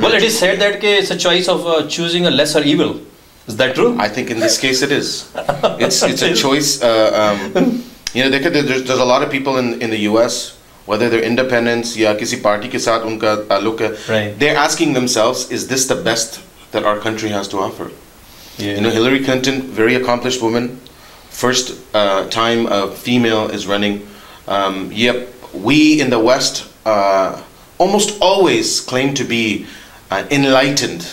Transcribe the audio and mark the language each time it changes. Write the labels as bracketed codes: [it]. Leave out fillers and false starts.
[en] Well, it is said that के it's a choice of choosing a lesser evil. Is that true? I think in this case it is. It's a choice. You know, देखे there's a lot of people in the U.S. whether they're independents [hi] या किसी party के साथ उनका ताल्लुक है. [en] Right. They're asking themselves, is this the best that our country has to offer? Yeah. You know, Hillary Clinton, very accomplished woman, first time a female is running. Yep. We in the West almost always claim to be enlightened.